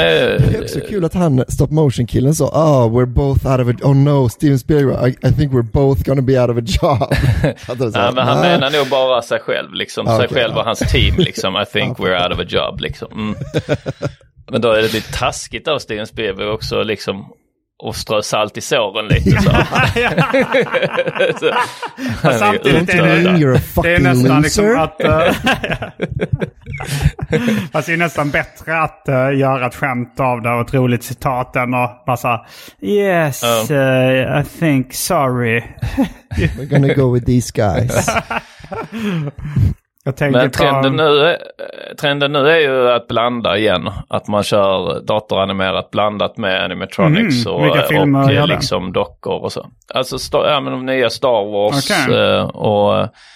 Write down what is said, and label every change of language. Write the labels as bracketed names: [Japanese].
[Swedish] Det är också kul att han, stop motion killen, sa, [English] we're both out of a... Oh no, Steven Spielberg, I think we're both gonna be out of a job. [Swedish] Ja, men han menar nog bara sig själv, liksom. Okay, sig själv och hans team, liksom. [English] I think we're out of a job, liksom. [Swedish] Men då är det lite taskigt av Steven Spielberg också, liksom... Och strö salt i såren lite så. Så samtidigt är [English] det, you're a fucking loser. [Swedish] Det är nästan liksom att alltså det är nästan bättre att göra ett skämt av det och ett roligt citat än att bara så, [English] yes, I think, sorry. We're gonna go with these guys. [Swedish] Jag tänker trenden nu är ju att blanda igen, att man kör datoranimerat blandat med animatronics och liksom dockor och så. Alltså de nya Star Wars, okay.